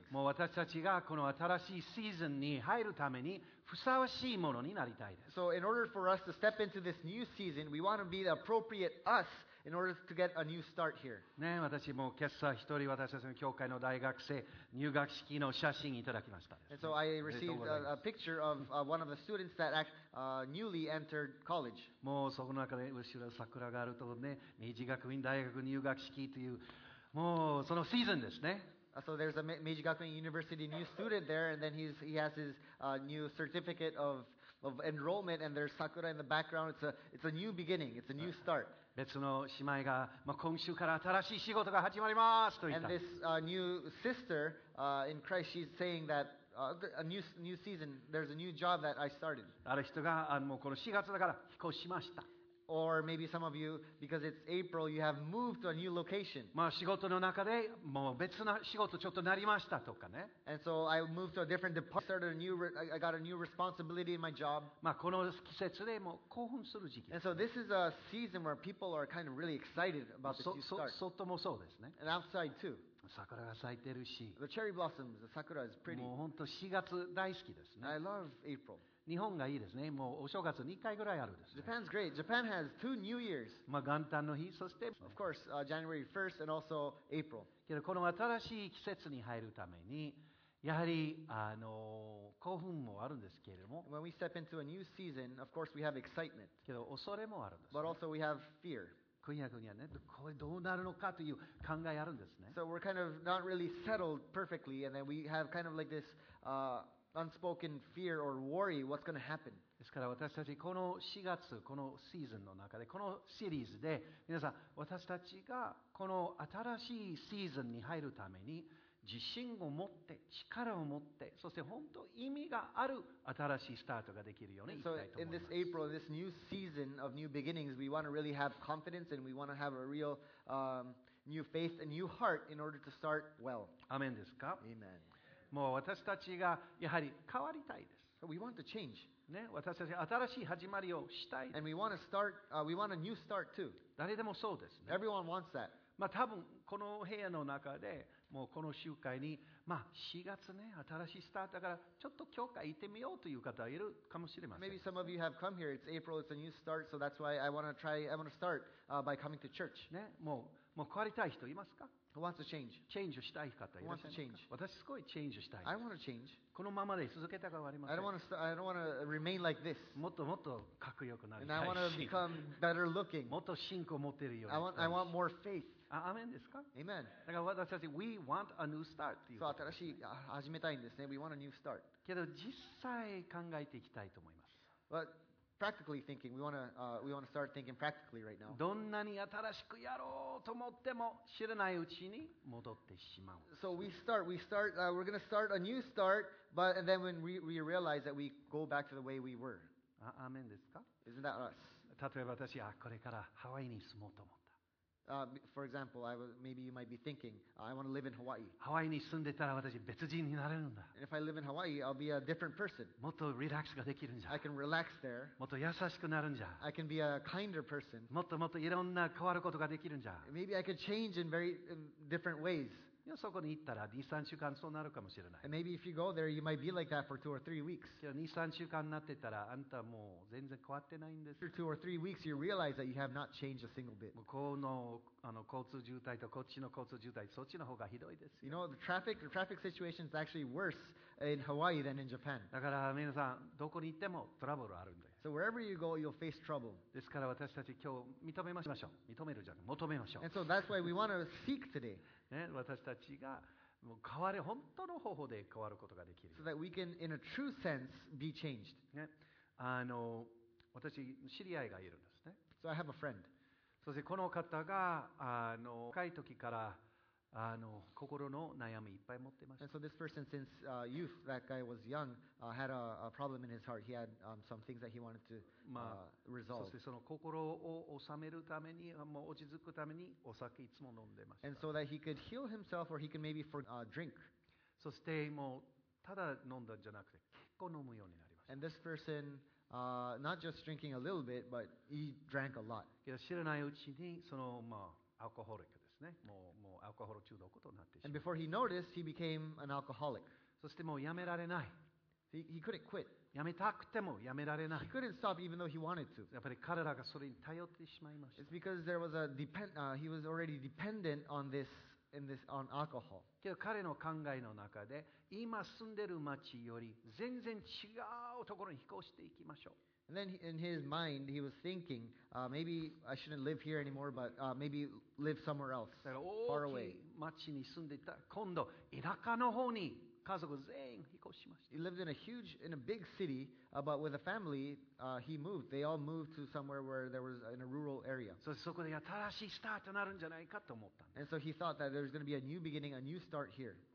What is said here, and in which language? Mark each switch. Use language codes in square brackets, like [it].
[ja] もう私たちがこの新しいシーズンに入るためにふさわしいものになりたいです。 [en] So in order for us to step into this new season, we want to be the appropriate us in order to get a new start here. [ja] ね、私も今朝一人私たちの教会の大学生入学式の写真いただきました、ね。 [en] And so I received a picture of one of the students that newly entered college. [ja] もうその中で後ろ桜があるとね、明治学院大学入学式というもうそのシーズンですね。 [en] So there's a Meiji Gakuin University new student there, and then he has his new certificate of enrollment, and there's sakura in the background. It's a new beginning. It's a new start. [ja] 別の姉妹が、まあ、今週から新しい仕事が始まりますと言った。 [en] And this new sister in Christ, she's saying that a new season, there's a new job that I started. [ja] ある人が、もうこの4月だから引っ越しました。 [en] Or maybe some of you, because it's April, you have moved to a new location. [ja] まあ仕事の中でもう別な仕事ちょっとなりましたとかね。 [en] And so I moved to a different department, started a new, I got a new responsibility in my job. [ja] まあこの季節でもう興奮する時期。 [en] And so this is a season where people are kind of really excited about the new start. [ja] 外もそうですね。 [en] And outside too. [ja] 桜が咲いてるし。 [en] The cherry blossoms, the sakura is pretty. [ja] もう本当4月大好きですね。 [en] I love April. [ja] 日本がいいですね。もうお正月に1回ぐらいあるですね。 [en] Japan's great. Japan has two New Years. [ja] まあ元旦の日、そして、 [en] of course, January 1st and also April. [ja] けどこの新しい季節に入るために、やはり興奮もあるんですけれども。 [en] When we step into a new season, of course we have excitement. [ja] けど恐れもあるんです、ね。 [en] But also we have fear. [ja] 今夜にはね、これどうなるのかという考えあるんですね。 [en] So we're kind of not really settled perfectly, and then we have kind of like this, unspoken fear or worry what's going to happen. [ja] ですから私たちこの4月このシーズンの中でこのシリーズで皆さん私たちがこの新しいシーズンに入るために自信を持って力を持ってそして本当意味がある新しいスタートができるようにいきたいと思います。 [en] So in this April, this new season of new beginnings, we want to really have confidence and we want to have a real, new faith and new heart in order to start well. [ja] アメンですか? [en] Amen. [ja] もう私たちがやはり変わりたいです。 [en] We want to change. [ja] ね、私たち新しい始まりをしたい。 [en] And we want to start, we want a new start too. [ja] 誰でもそうですね。 [en] Everyone wants that. [ja] まあ多分この部屋の中でもうこの集会に、まあ4月ね、新しいスタートだからちょっと教会行ってみようという方がいるかもしれません。 [en] Maybe some of you have come here. It's April. It's a new start. So that's why I want to start, by coming to church. [ja] ね、もう変わりたい人いますか? [en] Who wants to change? [ja] Change をしたい方いらっしゃいますか? [en] Who wants to change? [ja] 私すごい change したい。 [en] I want to change. [ja] このままで続けたくはありません。 [en] I don't want to remain like this. [ja] もっともっとかっこよくなりたいし。 [en] And I want to become better looking. [ja] もっと信仰持てるようにしたいし。 [en] I want more faith. [ja] アメンですか? [en] Amen. [ja] だから私たち [en] we want a new start [ja] っていう。そう、新しい始めたいんですね。 [en] We want a new start. [ja] けど実際考えていきたいと思います。 [en] But practically thinking, we want to start thinking practically right now. [ja] どんなに新しくやろうと思っても知らないうちに戻ってしまう。 [en] So we start, we're going to start a new start, but and then when we realize that we go back to the way we were. [ja] アーメンですか? [en] Isn't that us? [ja] 例えば私はこれからハワイに住もうと思った。 [en] For example, maybe you might be thinking, I want to live in Hawaii. [ja] ハワイに住んでたら私別人になれるんだ。 [en] And if I live in Hawaii, I'll be a different person. [ja] もっとリラックスができるんじゃ。 [en] I can relax there. [ja] もっと優しくなるんじゃ。 [en] I can be a kinder person. [ja] もっともっといろんな変わることができるんじゃ。 [en] Maybe I could change in very different ways. [ja] そこに行ったら 2-3 週間そうなるかもしれない。 [en] And maybe if you go there, you might be like that for 2 or 3 weeks. [ja] 2-3 週間になってたらあんたもう全然変わってないんです。 [en] After 2 or 3 weeks, you realize that you have not changed a single bit. [ja] 向こうの交通渋滞とこっちの交通渋滞、そっちの方がひどいですよ。 [en] You know, the traffic situation is actually worse in Hawaii than in Japan. [ja] だから皆さん、どこに行ってもトラブルあるんです。 [en] So wherever you go, you'll face trouble. [ja] ですから私たち今日認めましょう。認めるじゃない、求めましょう。 [en] And so that's why we want to seek today. [ja] ね、私たちが変わる、本当の方法で変わることができる。 [en] So that we can, in a true sense, be changed. [ja] ね、私、知り合いがいるんですね。 [en] So I have a friend. [ja] そしてこの方が若い時から心の悩みいっぱい持ってました。 [en] And so this person, since youth, that guy was young, had a problem in his heart. He had some things that he wanted to resolve. [ja] そしてその心を収めるために、もう落ち着くためにお酒いつも飲んでました。 [en] And so that he could heal himself or he could maybe for drink. [ja] そしてもうただ飲んだんじゃなくて結構飲むようになりました。 [en] And this personNot just drinking a little bit, but he drank a lot. [ja] 知らないうちにその、まあ、アルコホリックですね。もうアルコホル中毒となってしまった。 [en] And before he noticed, he became an alcoholic. [ja] そしてもうやめられない。 [en] He couldn't quit. [ja] やめたくてもやめられない。 [en] He couldn't stop even though he wanted to. [ja] やっぱり体がそれに頼ってしまいました。 [en] It's because there was he was already dependent on this. On alcohol. [ja] けど彼の考えの中で今住んでる町より全然違うところに引っ越していきましょう。 [en] And then in his mind, he was thinking, maybe I shouldn't live here anymore, but maybe live somewhere else, far away. [ja] 大きい町に住んでいた。今度田舎の方に家族全員引っ越しました。 [en] He lived in a big city, but with a family, he moved. They all moved to somewhere where there was in a rural area. [ja] So, そこで新しいスタートになるんじゃないかと思ったんです。 [en] And so he thought that there's going to be a new beginning, a new start here.